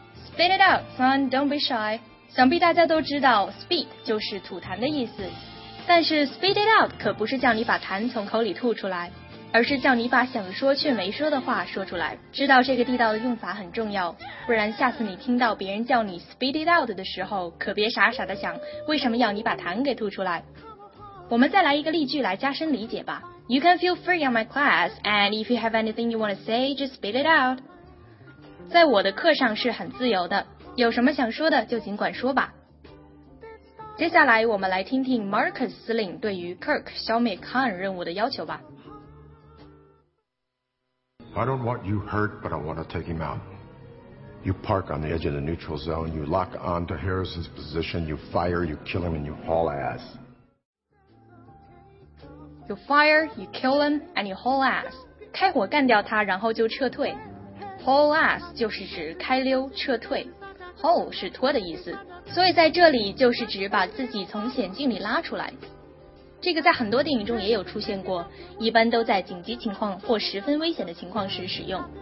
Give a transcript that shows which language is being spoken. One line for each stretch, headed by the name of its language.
English: Spit it out, son. Don't be shy.
Chinese: 想必大家都知道 speak 就是吐痰的意思，但是 spit it out 可不是叫你把痰从口里吐出来，而是叫你把想说却没说的话说出来。知道这个地道的用法很重要，不然下次你听到别人叫你 spit it out 的时候，可别傻傻的想为什么要你把痰给吐出来。我们再来一个例句来加深理解吧。
English: You can feel free on my class, and if you have anything you want to say, just spit it out.
Chinese: 在我的课上是很自由的，有什么想说的就尽管说吧。接下来我们来听听 Marcus 司令对于 Kirk 消灭 Khan 任务的要求吧。
English: I don't want you hurt, but I want to take him out. You park on the edge of the neutral zone, you lock on to Harrison's position, you fire, you kill him, and you haul ass. You fire, you kill him, and you haul ass.
Chinese: 开火干掉他，然后就撤退。Haul ass 就是指开溜撤退，后是拖的意思，所以在这里就是指把自己从险境里拉出来。这个在很多电影中也有出现过，一般都在紧急情况或十分危险的情况时使用。